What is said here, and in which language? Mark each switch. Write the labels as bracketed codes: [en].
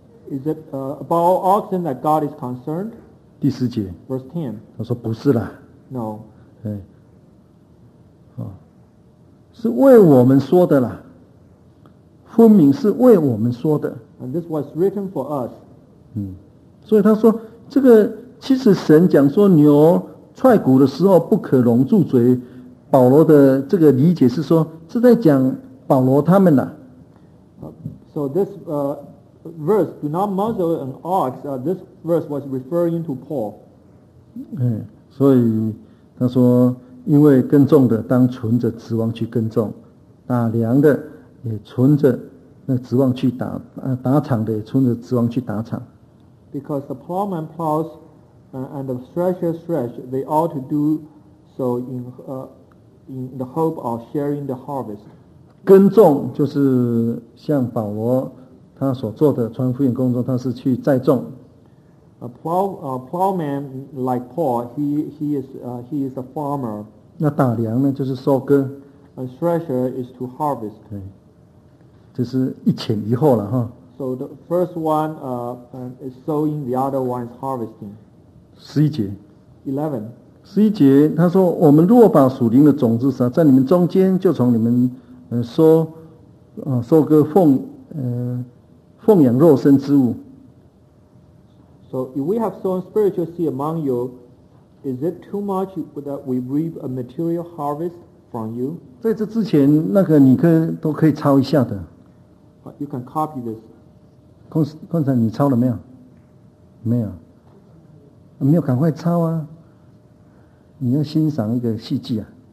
[en] Is it about oxen that God is concerned? [zh] 第十节 [en] verse 10, [zh] 他说不是啦。 [en] No、 [zh] 哎哦、是为我们说的啦，分明是为我们说的。 [en] And this was written for us、 [zh] 嗯、所以他说这个其实神讲说牛踹骨的时候不可拢住嘴，保罗的这个理解是说是在讲保罗他们啦。 [en] So this verse, do not muzzle an ox, this verse was referring to Paul、 [zh] 嗯、所以他说因为耕种的当存着指望去耕种，打粮的也存着那指望去打，打场的也存着指望去打场。 [en] Because the plowman plows and the thresher thresh, they ought to do so in the hope of sharing the harvest. [zh] 耕种就是像保罗他所做的传福音工作，他是去栽种。 [en] A plowman like Paul, he is a farmer. [zh] 那打粮呢，就是收割。 [en] A thresher is to harvest. [zh] 对，这是一前一后了哈。 [en] So the first one is sowing, the other one is harvesting. [zh] 十一节。 [en] 11. [zh] 十一节，他说：“我们若把属灵的种子撒在你们中间，就从你们收割奉养肉身之物。” [en] So if we have sown spiritual seed among you, is it too much that we reap a material harvest from you? [zh] 在这之前，那个你可都可以抄一下的。 [en] You can copy this. [zh] 刚才你抄了没有？没有，没有，赶快抄啊！你要欣赏一个戏剧啊！